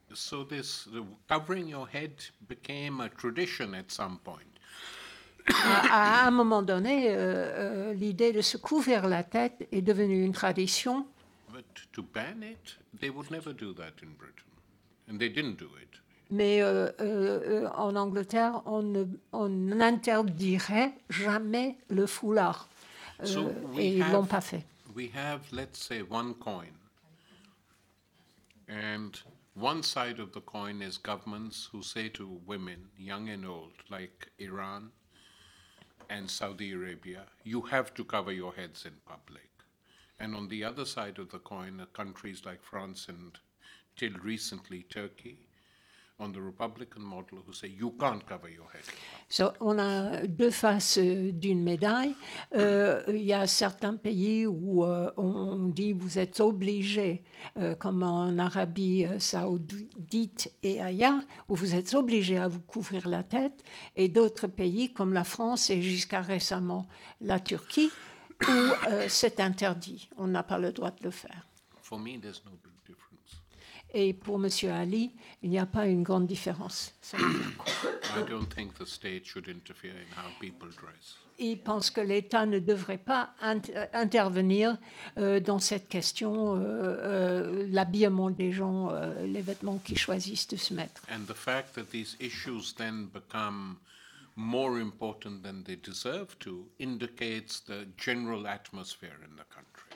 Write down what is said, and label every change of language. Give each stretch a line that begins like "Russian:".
English: So this, the covering your head became a tradition at some point.
French: À un moment donné, l'idée de se couvrir la tête est devenue une tradition.
English: But to ban it, they would never do that in Britain, and they didn't do it.
French: Mais en Angleterre, on n'interdirait jamais le foulard, et ils l'ont pas fait.
English: We have, let's say, one coin, and one side of the coin is governments who say to women, young and old, like Iran and Saudi Arabia, you have to cover your heads in public. And on the other side of the coin are countries like France and, till recently, Turkey, on the Republican model, who say you can't cover your head.
French: So, on a deux faces d'une médaille. Il y a certains pays où on dit vous êtes obligé, comme en Arabie Saoudite et ailleurs, où vous êtes obligé à vous couvrir la tête, et d'autres pays comme la France et jusqu'à récemment la Turquie, où c'est interdit. On n'a pas le droit de le faire.
English: For me, there's no.
French: Et pour M. Ali, il n'y a pas une grande différence.
English: I don't think the state should interfere in how people dress.
French: Il pense que l'État ne devrait pas intervenir dans cette question, l'habillement des gens, les vêtements qu'ils choisissent de se mettre.
English: And the fact that these issues then become more important than they deserve to indicates the general atmosphere in the country.